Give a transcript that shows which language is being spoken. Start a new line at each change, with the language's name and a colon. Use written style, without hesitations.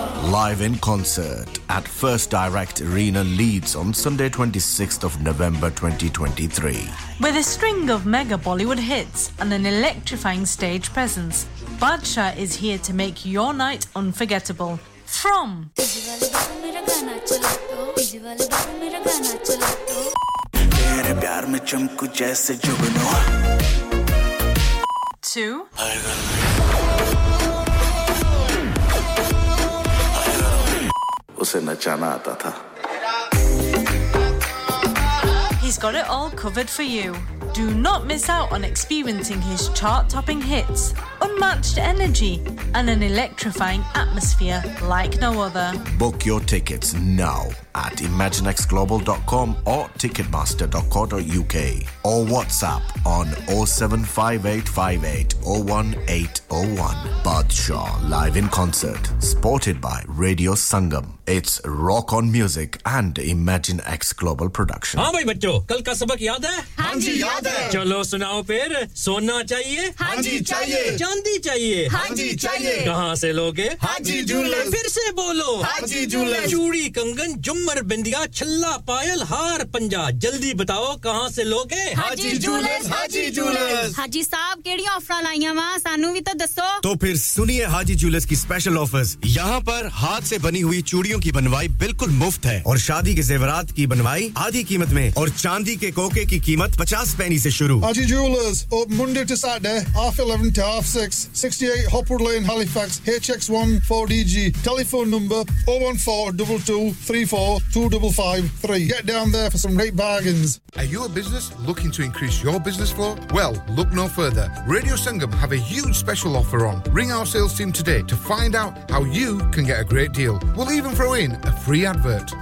English: Live in concert at First Direct Arena Leeds on Sunday 26th of November 2023. With a string of mega Bollywood hits and an electrifying stage presence, Badshah is here to make your night unforgettable. From
Hindi: तेरे प्यार में चमकू जैसे जुगनू
English: टू
Hindi: उसे नचाना आता था.
English: He's got it all covered for you. Do not miss out on experiencing his chart-topping hits, unmatched energy, and an electrifying atmosphere like no other. Book your tickets now at imaginexglobal.com or ticketmaster.co.uk or WhatsApp on 07585801801. Badshah live in concert, supported by Radio Sangam. It's Rock on Music and Imagine X Global Production.
Hindi: हाँ भाई बच्चों, कल का सबक याद है? हाँ जी याद है. चलो सुनाओ फिर. सोना चाहिए? हाँ जी चाहिए. चांदी चाहिए? हाँ जी चाहिए. कहाँ से लोगे? हाँ जी झूले. फिर से बोलो. हाँ जी झूले. चूड़ी, कंगन, झुमर, बिंदिया, छल्ला, पायल, हार, पंजा. जल्दी बताओ कहाँ से लोगे?
Punjabi: हाजी साहब केड़ी ऑफर लाइया वहाँ सानू भी तो दसो.
Hindi: तो फिर सुनिए हाजी ज्वेलर्स की स्पेशल ऑफर्स. यहाँ पर हाथ से बनी हुई चूड़ियों की बनवाई बिल्कुल मुफ्त है और शादी के जेवरात की बनवाई आधी कीमत में और चांदी के कोके की कीमत 50 पैनी से शुरू.
English: Haji jewellers open Monday to Saturday half 11 to half 6 68 Hopwood Lane Halifax HX1 4DG. Telephone number 01422342553. Get down there for some great bargains. Are you a business looking to increase your business flow? Well, look no further. Radio Sangam have a huge special offer on. Ring our sales team today to find out how you can get a great deal. We'll even throw in a free advert.